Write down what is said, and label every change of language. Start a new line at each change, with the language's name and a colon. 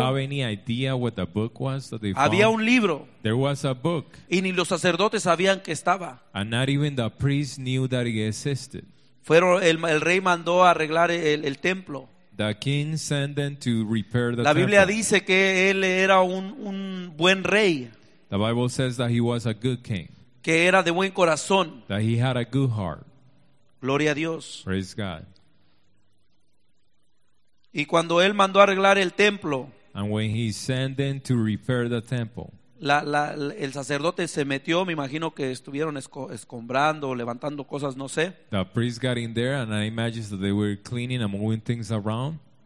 English: Do you have any idea what the book was that they found?
Spanish: Había un libro.
English: There was a book.
Spanish: Y ni los sacerdotes sabían que estaba.
English: And not even the priests knew that it existed.
Spanish: Fueron el rey mandó a arreglar el templo.
English: The king sent them to repair the temple.
Spanish: La Biblia dice que él era un buen rey.
English: The Bible says that he was a good king.
Spanish: Que era de buen corazón.
English: That he had a good heart.
Spanish: Gloria a Dios.
English: Praise God.
Spanish: Y cuando él mandó a arreglar el templo.
English: And when he sent them to repair the temple.
Spanish: el sacerdote se metió, me imagino que estuvieron escombrando, levantando cosas, no sé.
English: The priest got in there and I imagine that they were cleaning and moving things around.